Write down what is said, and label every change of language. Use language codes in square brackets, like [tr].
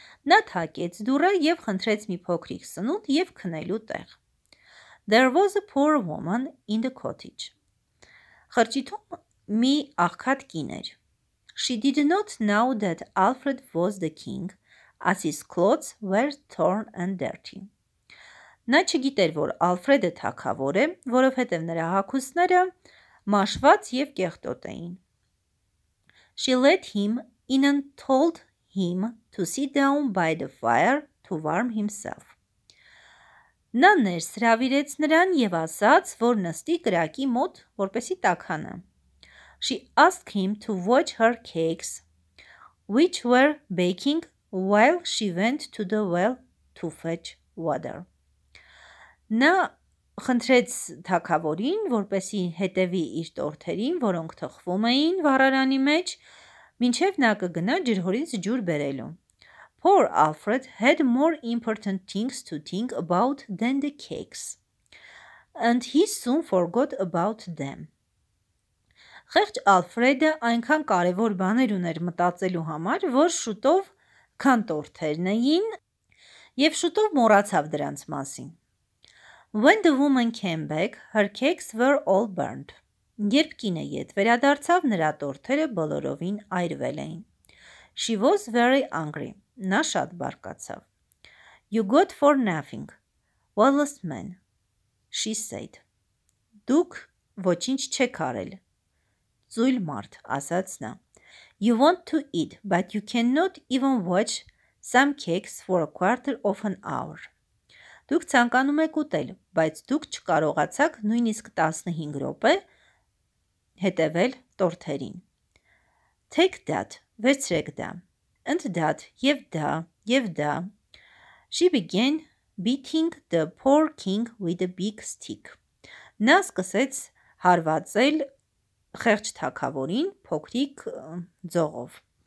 [hy] Նա թակեց դուռը եւ խնդրեց մի փոքրիկ սնունդ եւ քնելու տեղ. [en] There was a poor woman in the cottage. [hy] Խրճիթում մի աղքատ կին էր. [en] She did not know that Alfred was the king, as his clothes were torn and dirty. [hy] Նա չգիտեր, որ Ալֆրեդը թագավոր է, որովհետեւ նրա հագուստները մաշված եւ կեղտոտ էին. [en] She led him in and told him to sit down by the fire to warm himself. [hy] Նա ներս հրավիրեց նրան եւ ասաց, որ նստի կրակի մոտ, որպեսի տաքանա. [en] She asked him to watch her cakes, which were baking while she went to the well to fetch water. [hy] Նա խնդրեց թագավորին, որպեսի հետևի իր տորթերին, որոնք թխվում էին վառարանի մեջ, մինչև նա կգնա ջրհորից ջուր բերելու։ [en] Poor Alfred had more important things to think about than the cakes, and he soon forgot about them. [hy] Խեղճ Ալֆրեդը այնքան կարևոր բաներ ուներ մտածելու համար, որ շուտով քան տորթերն էին եւ շուտով մոռացավ դրանց մասին։ [en] When the woman came back, her cakes were all burned. [hy] Երբ կինը ետ վերադարձավ, նրա տորթերը բոլորովին այրվել էին։ [en] She was very angry. [hy] Նա շատ բարկացավ։ [en] You got for nothing, worthless man, she said. [hy] Դուք ոչինչ չեք արել, ծույլ մարդ, ասաց նա։ [en] You want to eat, but you cannot even watch some cakes for a quarter of an hour. [hy] Դուք ցանկանում եք ուտել, բայց դուք չկարողացաք նույնիսկ 15 րոպե հետևել տորթերին. [en] Take that, [hy] վերցրեք դա, [en] and that, [hy] եւ դա, եւ դա. [en] She began beating the poor king with a big stick. [hy] Նա սկսեց հարվածել խեղճ թագավորին փոքրիկ ձողով.